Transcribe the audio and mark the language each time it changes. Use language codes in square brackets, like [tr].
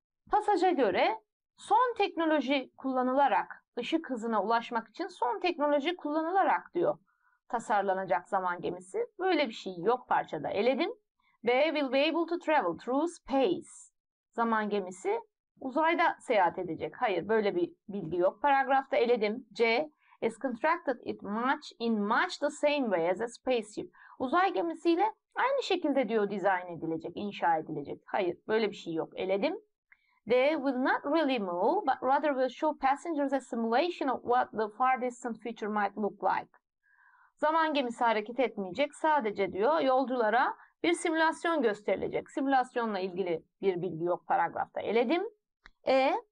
[tr] Pasaja göre son teknoloji kullanılarak, ışık hızına ulaşmak için son teknoloji kullanılarak diyor tasarlanacak zaman gemisi. Böyle bir şey yok parçada. Eledim. [en] They will be able to travel through space. [tr] Zaman gemisi uzayda seyahat edecek. Hayır, böyle bir bilgi yok. Paragrafta eledim. [en] C is constructed it much in much the same way as a spaceship. [tr] Uzay gemisiyle aynı şekilde diyor dizayn edilecek, inşa edilecek. Hayır, böyle bir şey yok. Eledim. [en] They will not really move, but rather will show passengers a simulation of what the far distant future might look like. [tr] Zaman gemisi hareket etmeyecek. Sadece diyor yolculara bir simülasyon gösterilecek. Simülasyonla ilgili bir bilgi yok paragrafta. Eledim. E.